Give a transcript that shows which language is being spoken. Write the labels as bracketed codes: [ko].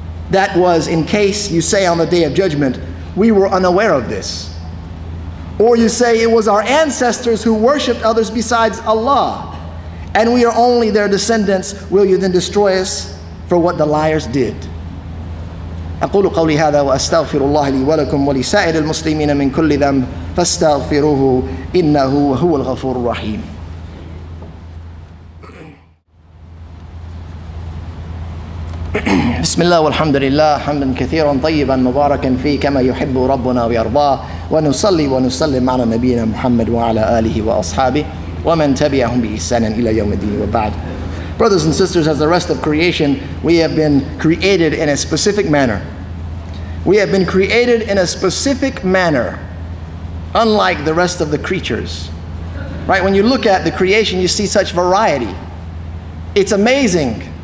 [en] That was in case you say on the day of judgment, we were unaware of this. Or you say it was our ancestors who worshipped others besides Allah, and we are only their descendants, will you then destroy us for what the liars did? [ar] أقول قولي هذا وأستغفر الله لي ولكم ولسائر المسلمين من كل ذنب فاستغفروه إنه هو الغفور الرحيم. بسم الله والحمد لله حمدا كثيرا طيبا مباركا فيه كما يحب ربنا ويرضاه ونصلي ونسلم على نبينا محمد وعلى آله وأصحابه ومن تبعهم بإحسان إلى يوم الدين وبعد. [en] Brothers and sisters, as the rest of creation, we have been created in a specific manner. We have been created in a specific manner, unlike the rest of the creatures. Right? When you look at the creation, you see such variety. It's amazing.